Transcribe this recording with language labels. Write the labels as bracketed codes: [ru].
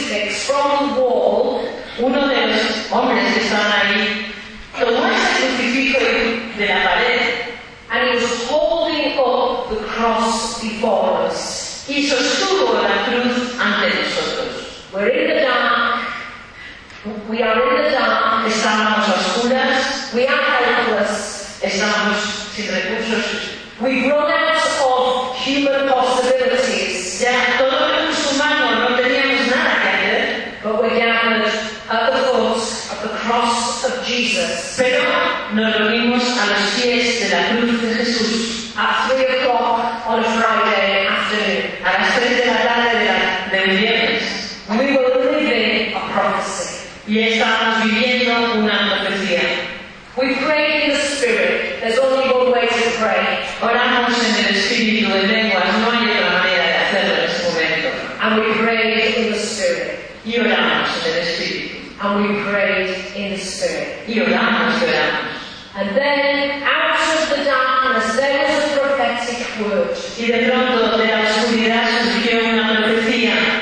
[en] stone wall, [es] uno de los hombres que estaban ahí tomó ese crucifijo de la pared, [en] and he was holding up the cross before us. [es] Y sostuvo la cruz ante nosotros. [en] We're in the dark. We are in the dark. [es] Estábamos a oscuras. [en] We are helpless. [es] Estábamos sin recursos. [en] We've run out of human possibilities. [es] Ya todo lo que sumamos no teníamos nada que hacer. [en] But we gathered at the foot of the cross of Jesus. [es] Pero nos reunimos a los pies de la cruz de Jesús. [en] At 3 o'clock on a Friday afternoon. [es] A las 3 de la tarde de un viernes. [en] We were living a prophecy. [es] Y estábamos viviendo una profecía. [en] We prayed in the Spirit. There's only one way to pray. [es] Oramos en el Espíritu de lenguas. No hay otra manera de hacerlo en este momento. [en] And we prayed in the Spirit. [es] Y oramos en el Espíritu. [en] And we prayed in the Spirit. [es] Y oramos, oramos. [en] And then, out of the darkness, there was a prophetic word. [es] Y de pronto, de la oscuridad, surgió una profecía.